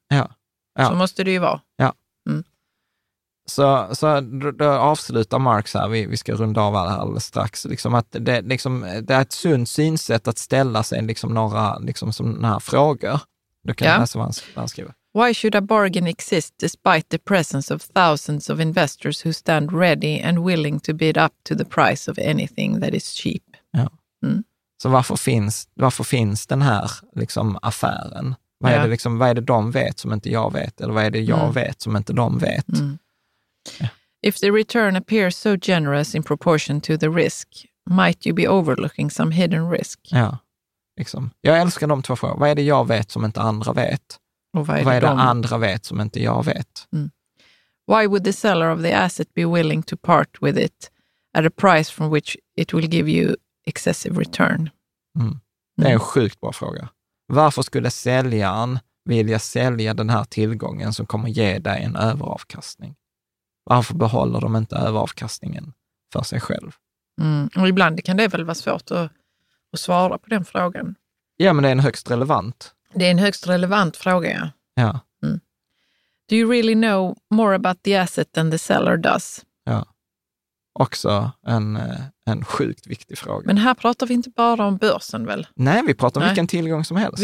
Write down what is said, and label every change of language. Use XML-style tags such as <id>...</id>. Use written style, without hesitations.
<sv>Ja. Så måste det ju vara. Ja. Mm. Så då avslutar Marx här, vi ska runda av här alldeles strax, liksom att det, liksom, det är ett sunt synsätt att ställa sig liksom några liksom, såna här frågor. Du kan läsa vad han skriver.</sv> <en>Why should a bargain exist despite the presence of thousands of investors who stand ready and willing to bid up to the price of anything that is cheap?</en> <sv>Ja. Mm. Så varför finns den här liksom, affären? Vad är det, liksom, vad är det de vet som inte jag vet? Eller vad är det jag vet som inte de vet? Mm. Yeah.</sv> <en>If the return appears so generous in proportion to the risk, might you be overlooking some hidden risk?</en> <sv>Ja, liksom. Jag älskar de två frågorna. Vad är det jag vet som inte andra vet? Och vad är, vad är det andra vet som inte jag vet? Mm.</sv> <en>Why would the seller of the asset be willing to part with it at a price from which it will give you excessive return? Mm.</en> <sv>Det är en sjukt bra fråga. Varför skulle säljaren vilja sälja den här tillgången som kommer ge dig en överavkastning? Varför behåller de inte överavkastningen för sig själv? Mm. Och ibland kan det väl vara svårt att svara på den frågan. Ja, men det är en högst relevant. Det är en högst relevant fråga, ja. Ja. Mm.</sv> <en>Do you really know more about the asset than the seller does?</en> <sv>Ja, också en sjukt viktig fråga. Men här pratar vi inte bara om börsen, väl? Nej, vi pratar om vilken tillgång som helst.</sv>